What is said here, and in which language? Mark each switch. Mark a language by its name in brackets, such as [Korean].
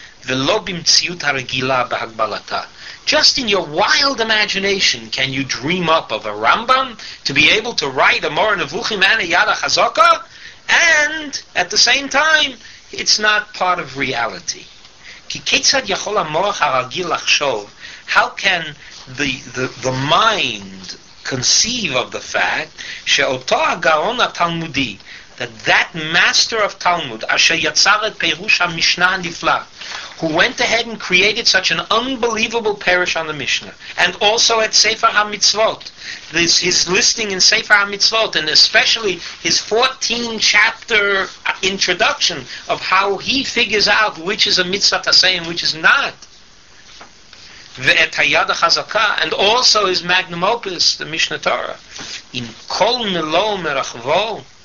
[Hebrew] ולא במציאות הרגילה בהגבלתה. [English] Just in your wild imagination can you dream up of a Rambam to be able to write a Mor Nevuchim and a Yad HaChazaka, and at the same time it's not part of reality. [Hebrew] כי כיצד יכול המוח הרגיל לחשוב? [English] How can the mind conceive of the fact [Hebrew] שאותו הגאון התלמודי, [English] that master of Talmud, [Hebrew] אשר יצר את פירוש המשנה הנפלא, [English] who went ahead and created such an unbelievable parish on the Mishnah, and also at Sefer HaMitzvot, his listing in Sefer HaMitzvot, and especially his 14-chapter introduction of how he figures out which is a mitzvah taseh and which is not, [Hebrew] ואת היד החזקה, [English] and also his magnum opus, the Mishnah Torah, [Hebrew] עם כל מלוא מרחבו,